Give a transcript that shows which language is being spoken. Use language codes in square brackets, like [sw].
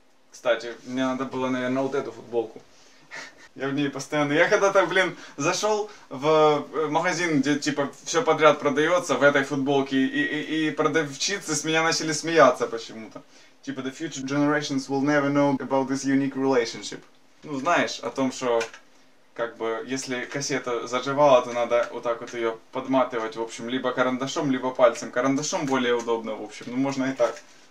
[ru] Кстати, мне надо было, наверное, вот эту футболку. Я в ней постоянно... Я когда-то, блин, зашел в магазин, где, типа, все подряд продается в этой футболке, и продавщицы с меня начали смеяться почему-то. [en] Типа, the future generations will never know about this unique relationship. [ru] Ну, знаешь, о том, что, как бы, если кассета заживала, то надо вот так вот ее подматывать, в общем, либо карандашом, либо пальцем. Карандашом более удобно, в общем, ну, можно и так.